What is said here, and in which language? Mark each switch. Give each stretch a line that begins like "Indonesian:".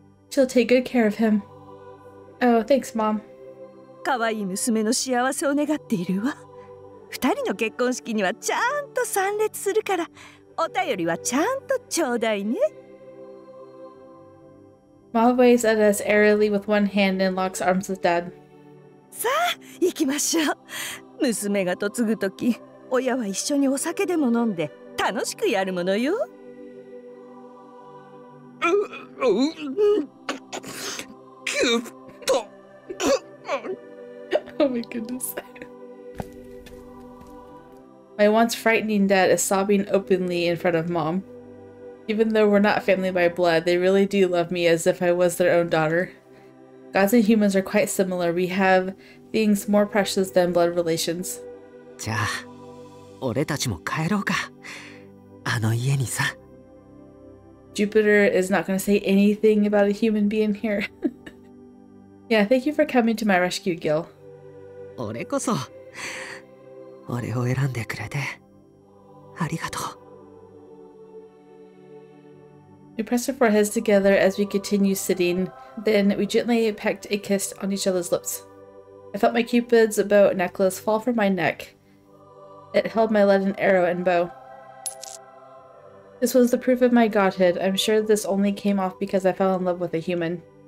English: She'll take good care of him. Oh, thanks, Mom.
Japanese: かわいい娘の幸せを願っているわ。二人の結婚式にはちゃんと参列するから、お便りはちゃんとちょうだいね。
English: Mom waves at us airily with one hand and locks arms with Dad.
Japanese: さあ、行きましょう。娘が嫁ぐとき、親は一緒にお酒でも飲んで、楽しくやるものよ。キューピッド。
English: Oh my goodness. My once frightening dad is sobbing openly in front of Mom. Even though we're not family by blood, they really do love me as if I was their own daughter. Gods and humans are quite similar. We have things more precious than blood relations.
Japanese: じゃあ、俺たちも帰ろうか。あの家にさ。
English: Jupiter is not going to say anything about a human being here. Yeah, thank you for coming to my rescue, Gill.
Japanese: 俺こそ、俺を選んでくれてありがとう。
English: We pressed our foreheads together as we continued sitting, then we gently pecked a kiss on each other's lips. I felt my Cupid's bow necklace fall from my neck. It held my leaden arrow and bow. This was the proof of my godhood. I'm sure this only came off because I fell in love with a human.